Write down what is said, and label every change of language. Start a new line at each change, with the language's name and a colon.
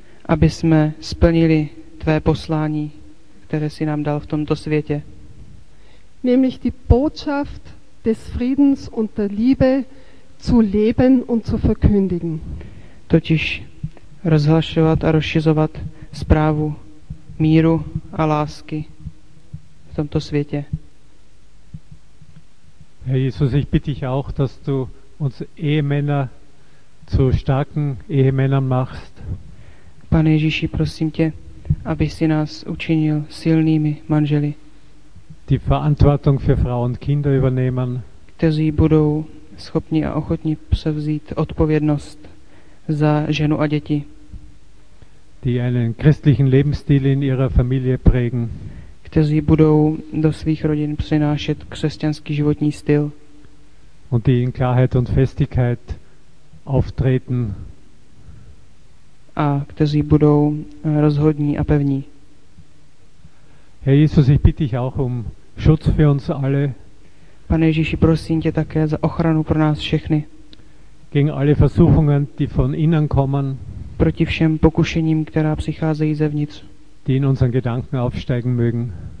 Czech: Aby jsme splnili tvé poslání, které jsi nám dal v tomto světě.
German: Nämlich die Botschaft des Friedens und der Liebe zu leben und zu verkündigen.
Czech: Totiž rozhlašovat a rozšiřovat zprávu míru a lásky v tomto světě.
German: Herr Jesus, ich bitte dich auch, dass du uns Ehemänner zu starken Ehemännern machst.
Czech: Pane Ježíši, prosím tě, aby si nás učinil silnými manželi.
German: Die Verantwortung für Frau und Kinder übernehmen.
Czech: Kteří budou schopni a ochotni převzít odpovědnost za ženu a děti.
German: Die einen christlichen Lebensstil in ihrer Familie prägen.
Czech: Kteří budou do svých rodin přinášet křesťanský životní styl.
German: Und die in Klarheit und Festigkeit auftreten.
Czech: A kteří budou rozhodní a pevní.
German: Herr Jesus, ich bitte dich auch um Schutz für uns alle.
Czech: Pane Ježíši, prosím tě také za ochranu pro nás všechny.
German: Gegen alle Versuchungen, die von innen kommen.
Czech: Proti všem pokušením, která přicházejí zevnitř.
German: Die in unseren Gedanken aufsteigen mögen.